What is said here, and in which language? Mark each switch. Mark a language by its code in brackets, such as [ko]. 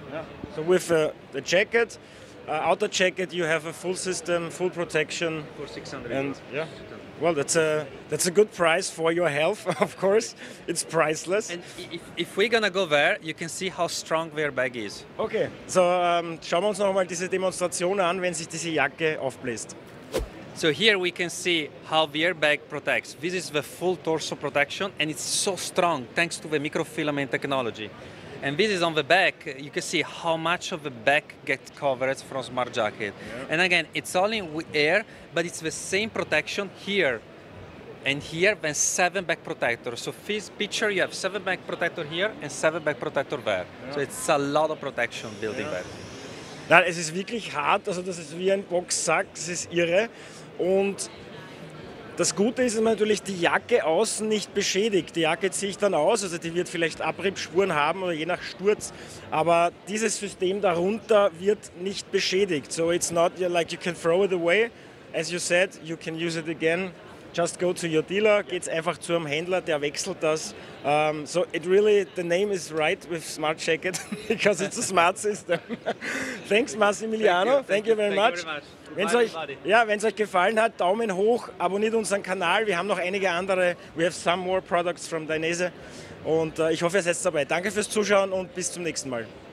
[en] Yeah. So with the jacket, outer jacket, you have a full system, full protection. For 600. And, yeah. Well, that's a good price for your health, of course. It's priceless. And if we're going to go there, you can see how strong the airbag is. [de] Okay, so schauen wir uns nochmal diese Demonstration an, wenn sich diese Jacke aufbläst. [en] So here we can see how the airbag protects. This is the full torso protection, and it's so strong thanks to the microfilament technology. And this is on the back, you can see how much of the back gets covered from smart jacket. Yeah. And again, it's only with air, but it's the same protection here. And here, then seven back protectors. So this picture, you have seven back protector here and seven back protector there. Yeah. So it's a lot of protection building yeah. there. [de] Nein, es ist wirklich hart, also das ist wie ein Boxsack, das ist irre. Und das Gute ist natürlich, die Jacke außen nicht beschädigt. Die Jacke zieht sich dann aus, also die wird vielleicht Abriebspuren haben oder je nach Sturz. Aber dieses System darunter wird nicht beschädigt. [en] So it's not like you can throw it away. As you said, you can use it again. Just go to your dealer, [de] geht's einfach zu einem Händler, der wechselt das. [en] So it really, the name is right with Smart Jacket, because it's a smart system. Thanks Massimiliano, thank you very much. [de] Wenn es euch gefallen hat, Daumen hoch, abonniert unseren Kanal. Wir haben noch einige andere. [en] We have some more products from Dainese. [de] Und ich hoffe, ihr seid dabei. Danke fürs Zuschauen und bis zum nächsten Mal.